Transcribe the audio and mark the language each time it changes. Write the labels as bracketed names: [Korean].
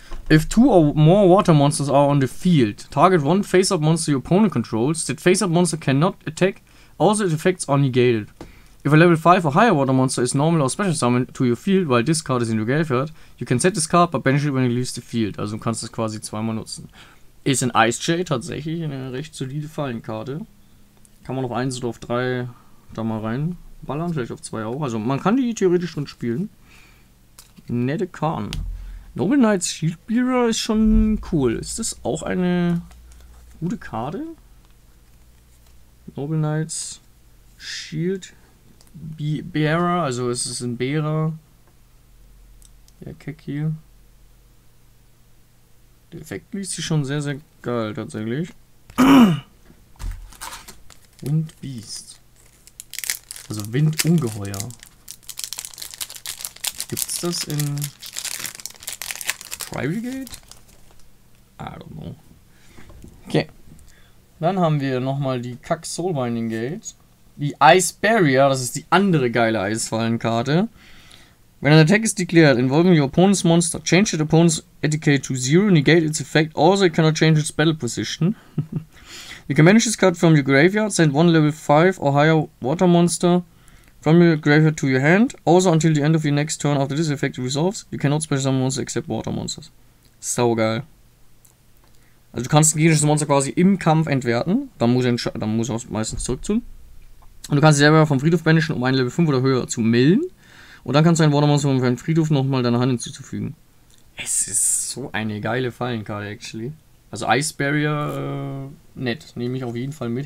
[English] If two or more water monsters are on the field, target one face-up monster your opponent controls. That face-up monster cannot attack. Also, its effects are negated. If a level 5 or higher water monster is normal or special summoned to your field while this card is in your graveyard, you can set this card but banish it when it leaves the field. [German] Also, du kannst es quasi zweimal nutzen. Ist ein Ice Jay tatsächlich eine recht solide Fallenkarte. Kann man auf 1 oder auf 3 da mal reinballern, vielleicht auf 2 auch. Also, man kann die theoretisch schon spielen. Nette Karten. Noble Knights Shieldbearer ist schon cool. Ist das auch eine gute Karte? Noble Knights Shieldbearer, also es ist ein Bearer. Der Keck hier. Der Effekt liest sich schon sehr, sehr geil tatsächlich. Wind Beast. Also Windungeheuer. Gibt's das in Tribal Gate? [English] I don't know. [German] Okay. Dann haben wir nochmal die Kack Soulbinding Gate. Die Ice Barrier, das ist die andere geile Eisfallenkarte. [English] When an attack is declared involving your opponent's monster, change the opponent's etiquette to zero, negate its effect, also it cannot change its battle position. You can banish this card from your graveyard, send one level 5 or higher water monster from your graveyard to your hand, also until the end of your next turn after this effect resolves, you cannot special summon monsters except water monsters. [German] Sau geil. Also du kannst ein gegnerisches Monster quasi im Kampf entwerten, dann muss er es meistens zurückziehen. Und du kannst dich selber vom Friedhof banishen, um ein Level 5 oder höher zu millen. Und dann kannst du ein water monster von deinem Friedhof nochmal deiner Hand hinzufügen. Es ist so eine geile Fallenkarte, actually. Also Ice Barrier, nett, nehme ich auf jeden Fall mit.